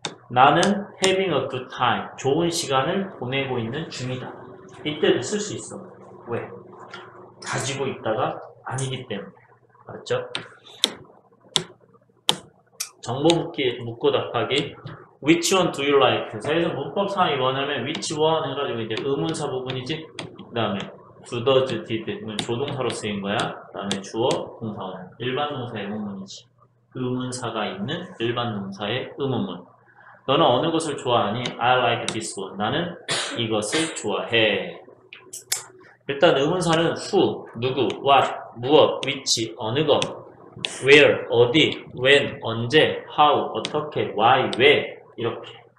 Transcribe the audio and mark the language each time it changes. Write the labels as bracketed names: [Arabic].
[Korean] 나는 [English] having a good time. [Korean] 좋은 시간을 보내고 있는 중이다. 이때도 쓸수 있어. 왜? 가지고 있다가 아니기 때문에. 맞죠? 정보 묻기, 묻고 답하기. [English] Which one do you like? [Korean] 자, 여기서 문법상 이거냐면 which one 해가지고 이제 의문사 부분이지. 그 다음에 do, does, did. 조동사로 쓰인 거야. 그 다음에 주어, 동사원. 일반 동사의 의문문이지. 의문사가 있는 일반 동사의 의문문. 너는 어느 것을 좋아하니? [English] I like this one. [Korean] 나는 이것을 좋아해. 일단 의문사는 who, 누구, what, 무엇, which, 어느 것, where, 어디, when, 언제, how, 어떻게, why, 왜. 이렇게.